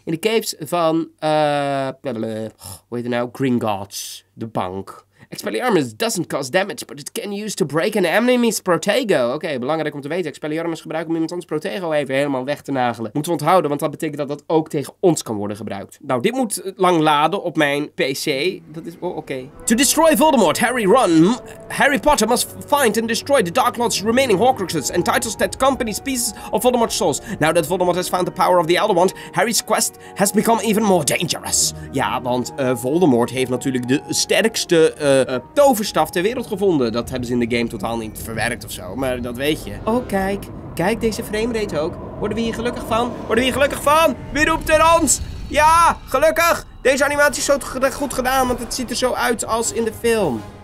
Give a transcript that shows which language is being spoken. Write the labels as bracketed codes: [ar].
[nl] In de caves van, hoe heet het nou? Gringotts. De bank. [en] Expelliarmus doesn't cause damage, but it can use to break an enemy's protego. [nl] Oké, belangrijk om te weten. Expelliarmus gebruiken om iemand anders protego even helemaal weg te nagelen. Moeten we onthouden, want dat betekent dat dat ook tegen ons kan worden gebruikt. Nou, dit moet lang laden op mijn PC. Dat is, [en] To destroy Voldemort, Harry run. Harry Potter must find and destroy the Dark Lord's remaining Horcruxes and titles that company pieces of Voldemort's souls. Now that Voldemort has found the power of the Elder Wand, Harry's quest has become even more dangerous. [nl] Ja, want Voldemort heeft natuurlijk de sterkste toverstaf ter wereld gevonden. Dat hebben ze in de game totaal niet verwerkt of zo, maar dat weet je. Oh, kijk. Kijk, deze framerate ook. Worden we hier gelukkig van? Worden we hier gelukkig van? Wie roept er ons? Ja, gelukkig. Deze animatie is zo goed gedaan, want het ziet er zo uit als in de film.